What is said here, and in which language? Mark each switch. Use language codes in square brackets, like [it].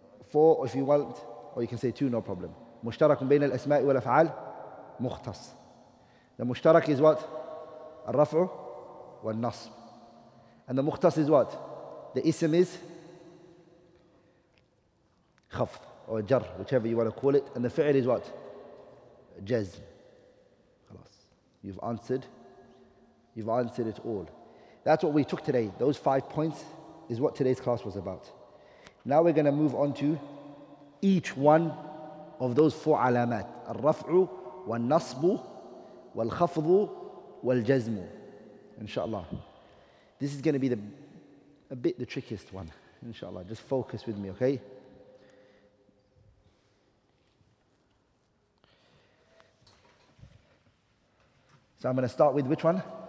[en] Four, if you want, or you can say two, no problem. [ar] مشترك بين الأسماء والأفعال مختص. [en] The مشترك is what? [ar] الرفع والنصب. [en] And the مختص is what? The اسم is خفض or جر, whichever you want to call it. And the فعل is what? جزم. خلاص. You've answered it all. That's what we took today. Those 5 points is what today's class was about. Now we're going to move on to each one of those four علامات. [ar] الرفع والنصب والخفض والجزم. Inshallah. [en] This is going to be the trickiest one. Inshallah. Just focus with me, okay? So I'm going to start with which one?